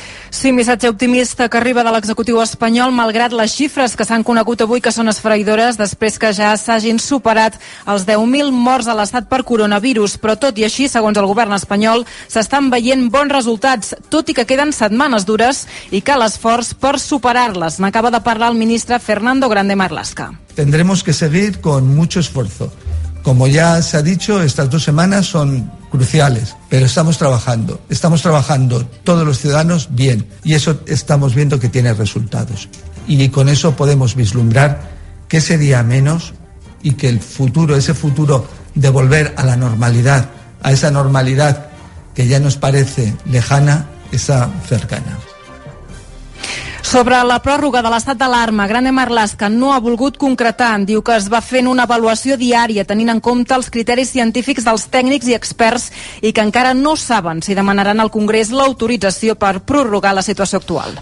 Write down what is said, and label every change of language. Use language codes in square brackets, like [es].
[ca] Sí, missatge optimista que arriba de l'executiu espanyol, malgrat les xifres que s'han conegut avui, que són esfereïdores, després que ja s'hagin superat els 10.000 morts a l'estat per coronavirus. Però tot i així, segons el govern espanyol, s'estan veient bons resultats, tot i que queden setmanes dures i cal esforç per superar-les. N'acaba de parlar el ministre Fernando Grande Marlaska. [es] Tendremos que seguir con mucho esfuerzo. Como ya se ha dicho, estas dos semanas son cruciales, pero estamos trabajando todos los ciudadanos bien, y eso estamos viendo que tiene resultados. Y con eso podemos vislumbrar que ese día menos y que el futuro, ese futuro de volver a la normalidad, a esa normalidad que ya nos parece lejana, está cercana. [ca] Sobre la pròrroga de l'estat d'alarma, Grande Marlaska no ha volgut concretar. Diu que es va fent una avaluació diària tenint en compte els criteris científics dels tècnics i experts i que encara no saben si demanaran al Congrés l'autorització per prorrogar la situació actual.